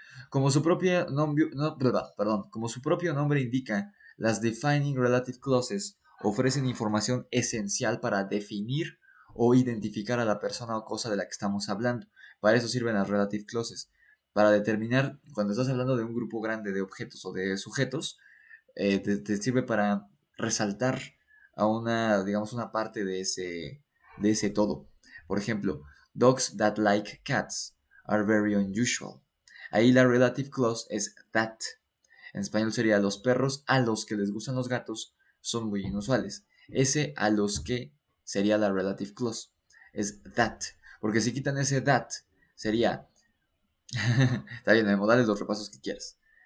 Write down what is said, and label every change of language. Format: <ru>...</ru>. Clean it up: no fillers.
<es>Como su propio nombre... No, perdón. Como su propio nombre indica, las defining relative clauses ofrecen información esencial para definir o identificar a la persona o cosa de la que estamos hablando. Para eso sirven las relative clauses. Para determinar, cuando estás hablando de un grupo grande de objetos o de sujetos, te sirve para resaltar a una, digamos, una parte de ese todo. Por ejemplo,</es> <en>dogs that like cats are very unusual.</en> <es>Ahí la relative clause es that. En español sería los perros a los que les gustan los gatos son muy inusuales. Ese a los que sería la relative clause. Es that. Porque si quitan ese that, sería... Está bien, Memo, dale los repasos que quieras.</es>